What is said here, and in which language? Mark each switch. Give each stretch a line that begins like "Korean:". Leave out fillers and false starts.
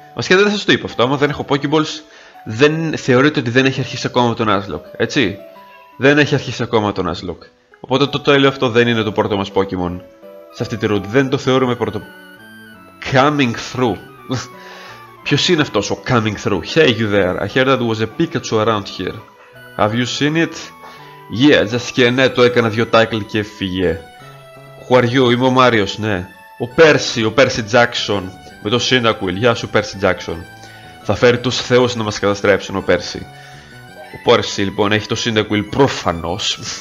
Greek: Βασικά δεν σας το είπα αυτό, άμα δεν έχω Pokéballs, δεν θεωρείται ότι δεν έχει αρχίσει ακόμα τον Nuzlocke, έτσι. Δεν έχει αρχίσει ακόμα τον Nuzlocke. Οπότε το τέλειο αυτό δεν είναι το πρώτο μας Pokémon σε αυτή τη route. Δεν το θεωρούμε πρώτο...
English: Coming through.
Greek: Ποιος είναι αυτός ο coming through?
English: Hey you there, I heard that was a Pikachu around here. Have you seen it? Yeah, just
Greek: και ναι, το έκανα δύο tackle και φύγε.
English: Who are you?
Greek: Είμαι ο Μάριος, ναι. Ο Πέρσι Τζάκσον με το Σίντακουιλ. Γεια σου, Πέρσι Τζάκσον. Θα φέρει τους θεούς να μας καταστρέψουν, ο Πέρσι. Ο Πέρσι λοιπόν έχει το Σίντακουιλ προφανώς.